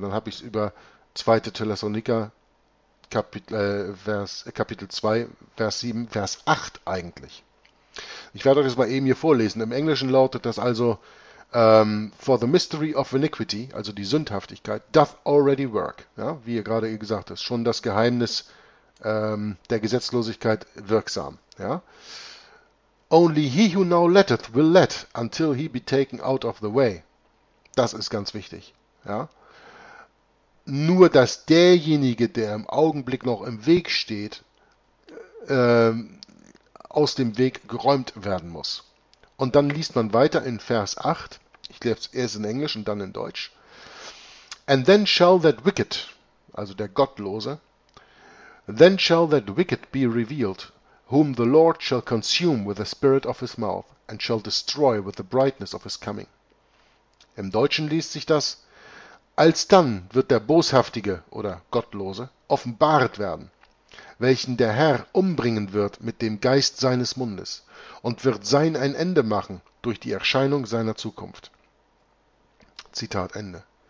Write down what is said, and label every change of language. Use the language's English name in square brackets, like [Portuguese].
[German] Dann habe ich es über 2. Thessaloniker, Kapitel 2, Vers 7, Vers 8 eigentlich. Ich werde euch das mal eben hier vorlesen. Im Englischen lautet das also: [English] For the mystery of iniquity, also die Sündhaftigkeit, doth already work. [German] Ja, wie ihr gerade gesagt habt, schon das Geheimnis der Gesetzlosigkeit wirksam. Ja. [English] Only he who now letteth will let until he be taken out of the way. [German] Das ist ganz wichtig. Ja. Nur dass derjenige, der im Augenblick noch im Weg steht, aus dem Weg geräumt werden muss. Und dann liest man weiter in Vers 8. Ich lese es erst in Englisch und dann in Deutsch. [English] And then shall that wicked, [German] also der Gottlose, [English] then shall that wicked be revealed, whom the Lord shall consume with the spirit of his mouth and shall destroy with the brightness of his coming. [German] Im Deutschen liest sich das: Alsdann wird der Boshaftige oder Gottlose offenbart werden, welchen der Herr umbringen wird mit dem Geist seines Mundes und wird sein ein Ende machen durch die Erscheinung seiner Zukunft. Zitat Ende.